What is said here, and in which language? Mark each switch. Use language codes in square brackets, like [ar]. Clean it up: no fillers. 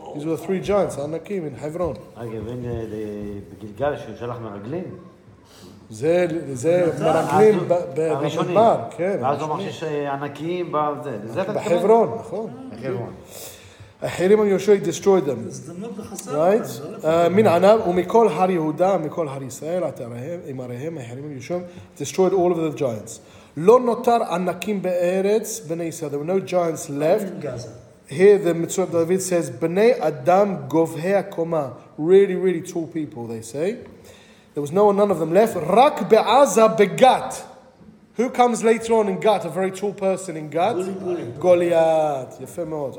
[en] These were the three giants, Anakim in Hebron. Again, when the Gilgal, [he] she shalach meraglim. זה מרגלים במדבר, כן. ואז הוא אמר שיש ענקים בחברון, נכון. החרימו יהושע, [en] he destroyed them. Right? [he] מן ענב ומכל הר יהודה, מכל הר ישראל, עם הריהם, החרימו יהושע, [en] destroyed all of the giants. [he] לא נותר ענקים בארץ, בני ישראל. [en] There were no giants left. Here the Mitzvah of David says, [he] בני אדם גובהי הקומה. [en] Really, really tall people, they say. There was no one, none of them left. [he] Rak be'aza begat. [en] Who comes later on in Gat? A very tall person in Gat? Goliath. [he] Yafeh me'od.